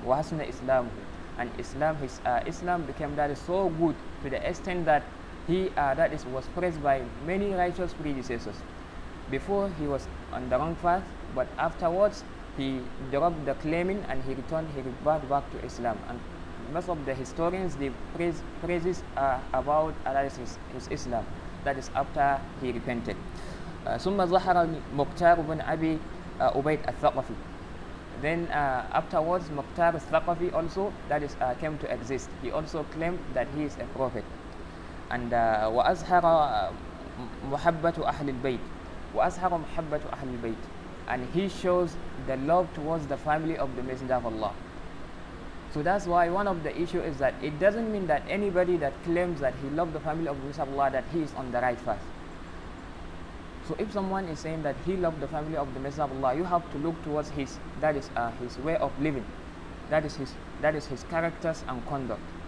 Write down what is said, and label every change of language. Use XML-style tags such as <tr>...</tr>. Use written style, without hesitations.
<en>Wasn't Islam, and Islam, his Islam became that so good to the extent that he that is was praised by many righteous predecessors. Before he was on the wrong path, but afterwards he dropped the claiming and he returned, he reverted back to Islam. And most of the historians, they praises about his Islam, that is after he repented.</en> <ar>ثم ظهر مقتار بن أبي أبيد الثقفي.</ar> <en>Then afterwards, مقتار الثقفي also, that is came to exist. He also claimed that he is a prophet.</en> <ar>And وأظهر محبة أهل البيت. وأظهر محبة أهل البيت.</ar> <en>And he shows the love towards the family of the Messenger of Allah. So that's why one of the issue is that it doesn't mean that anybody that claims that he loved the family of the Messenger of Allah, that he is on the right path. So if someone is saying that he loved the family of the Messenger of Allah, you have to look towards his, that is his way of living, that is his characters and conduct.</en>